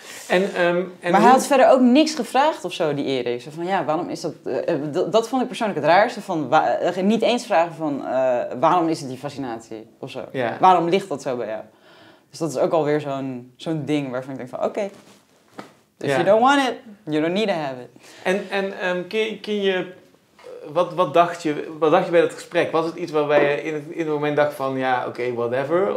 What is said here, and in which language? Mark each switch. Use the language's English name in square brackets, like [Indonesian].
[Dutch] Maar hij had verder ook niks gevraagd of zo, die Erik. Zo van, ja, waarom is dat... Dat vond ik persoonlijk het raarste. Van, niet eens vragen van, waarom is het die fascinatie of zo? Ja. Waarom ligt dat zo bij jou? Dus dat is ook alweer zo'n ding waarvan ik denk van, oké. [English] If you don't want it, you don't need to have it. [Dutch] En kun je... Wat dacht je bij dat gesprek? Was het iets waarbij je in het moment dacht van, ja, oké, whatever?